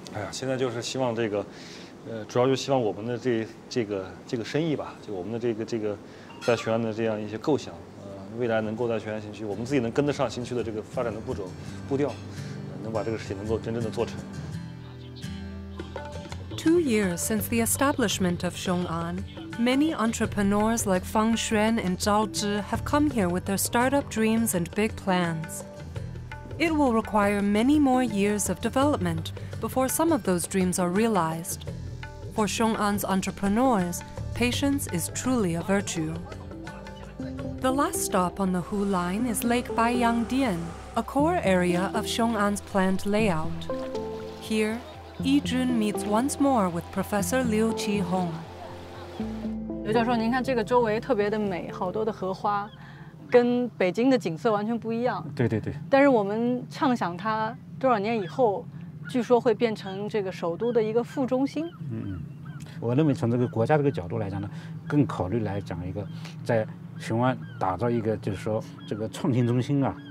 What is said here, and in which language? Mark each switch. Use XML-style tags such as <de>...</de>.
<zh>如果再要展望未来的话，你有什么梦想吗？哎呀，现在就是希望这个，主要就希望我们的这个生意吧，就我们的这个。在雄安的这样一些构想，未来能够在雄安新区，我们自己能跟得上新区的这个发展的步骤步调，能把这个事情能够真正的做成。</zh> <en>2 years since the establishment of Xiong'an, many entrepreneurs like Fang Xuan and Zhao Zhi have come here with their startup dreams and big plans. It will require many more years of development before some of those dreams are realized. For Xiong'an's entrepreneurs, patience is truly a virtue. The last stop on the Hu Line is Lake Baiyangdian, a core area of Xiong'an's planned layout. Here, Yi Jun meets once more with Professor Liu Qihong.</en> <zh>刘教授，您看这个周围特别的美，好多的荷花，跟北京的景色完全不一样。对对对。但是我们畅想它多少年以后，据说会变成这个首都的一个副中心。嗯，我认为从这个国家这个角度来讲呢，更考虑来讲一个在雄安打造一个就是说这个创新中心啊。</zh>